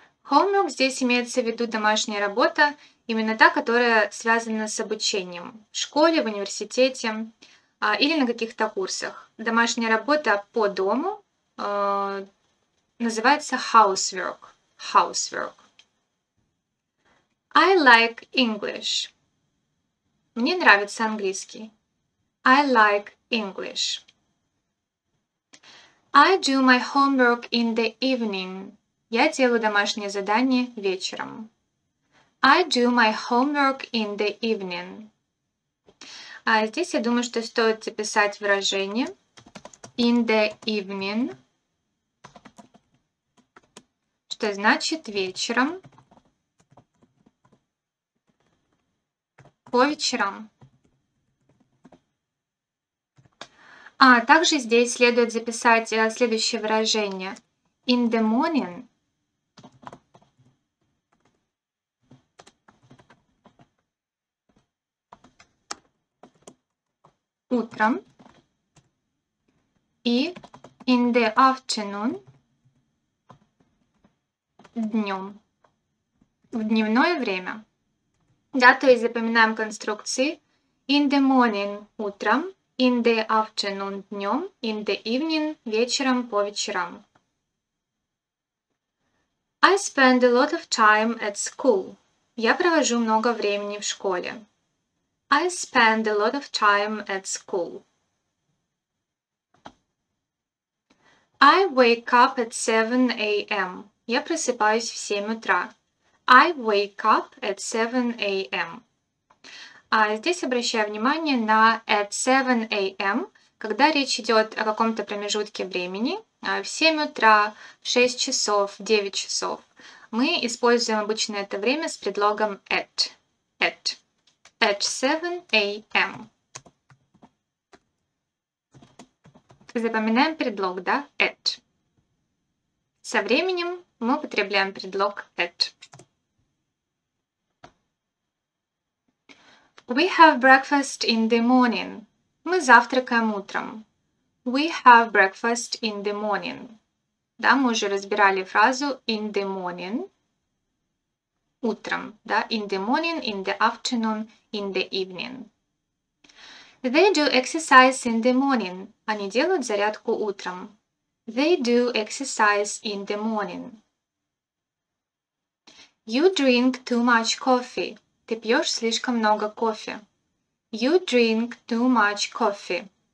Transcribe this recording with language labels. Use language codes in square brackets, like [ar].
[ru] Homework здесь имеется в виду домашняя работа, именно та, которая связана с обучением в школе, в университете или на каких-то курсах. Домашняя работа по дому называется housework. [en] Housework. I like English. [ru] Мне нравится английский. [en] I like English. I do my homework in the evening. [ru] Я делаю домашнее задание вечером. [en] I do my homework in the evening. [ru] А здесь я думаю, что стоит записать выражение [en] in the evening, [ru] что значит вечером, по вечерам. А также здесь следует записать следующее выражение [en] in the morning. [ru] Утром и [en] in the afternoon [ru] днем, в дневное время. Да, то есть запоминаем конструкции [en] in the morning [ru] утром, [en] in the afternoon [ru] днем, [en] in the evening [ru] вечером, по вечерам. [en] I spend a lot of time at school. [ru] Я провожу много времени в школе. [en] I spend a lot of time at school. I wake up at 7 a.m. [ru] Я просыпаюсь в 7 утра. [en] I wake up at 7 a.m. [ru] А здесь обращаю внимание на [en] at 7 a.m., [ru] когда речь идет о каком-то промежутке времени. В 7 утра, в 6 часов, в 9 часов. Мы используем обычно это время с предлогом at. [en] At. At 7 a.m. [ru] Запоминаем предлог, да? At. Со временем мы употребляем предлог at. [en] We have breakfast in the morning. [ru] Мы завтракаем утром. [en] We have breakfast in the morning. [ru] Да, мы уже разбирали фразу [en] in the morning. [ru] Утром, да, [en] in the morning, in the afternoon, in the evening. They do exercise in the morning. [ru] Они делают зарядку утром. [en] They do exercise in the morning. You drink too much coffee. [ru] Ты пьешь слишком много кофе. [en] You drink too much coffee.